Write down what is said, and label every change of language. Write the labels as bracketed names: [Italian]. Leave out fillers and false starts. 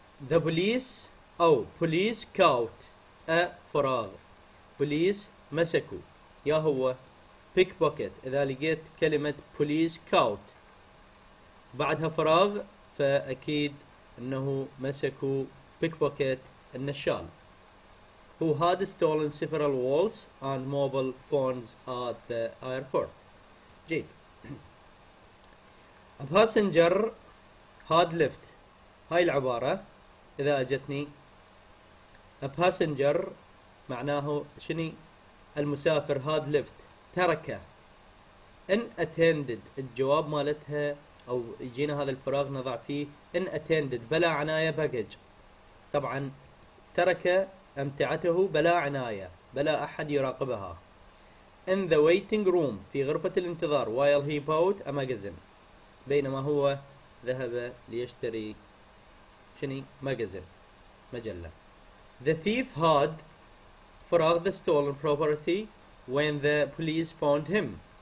[English] The police [Arabic] أو [English] police caught a [Arabic] فراغ، police مسكوا، يا هو [English] pickpocket [Arabic] إذا لقيت كلمة [English] police caught [Arabic] بعدها فراغ فأكيد أنه مسكوا pickpocket النشال. [English] Who had stolen several walls and mobile phones at the airport. [Arabic] جيد. [English] A passenger had left. [Arabic] هاي العبارة إذا أجتني [English] A passenger [Arabic] معناه شني؟ المسافر [English] had left [Arabic] ترك. [English] Unattended [Arabic] الجواب مالتها أو يجينا هذا الفراغ نضع فيه Unattended بلا عناية [English] baggage. [Arabic] طبعا ترك أمتعته بلا عناية، بلا أحد يراقبها. [English] In the waiting room [Arabic] في غرفة الانتظار [English] while he bought a magazine [Arabic] بينما هو ذهب ليشتري شني؟ [English] magazine [Arabic] مجلة. [English] The thief had [Arabic] فراغ [English] the stolen property when the police found him.